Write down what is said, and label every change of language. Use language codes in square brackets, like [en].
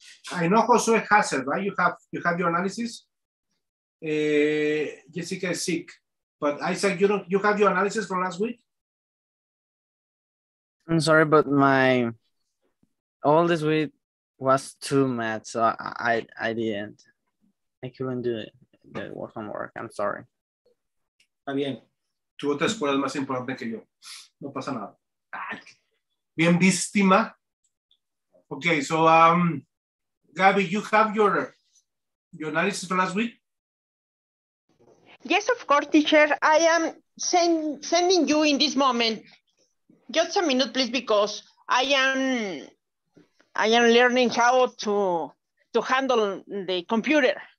[en] I know Josue has it, right? You have your analysis. Jessica is sick, but Isaac, you have your analysis from last week? I'm sorry, but my all this week was too mad, so I couldn't do the work on work. I'm sorry. [es] Está bien. Tu otra escuela es más importante que yo. No pasa nada. Ay, bien víctima. [en] Okay, so Gabby, you have your analysis for last week? Yes, of course, teacher. I am sending you in this moment. Just a minute, please, because I am learning how to handle the computer.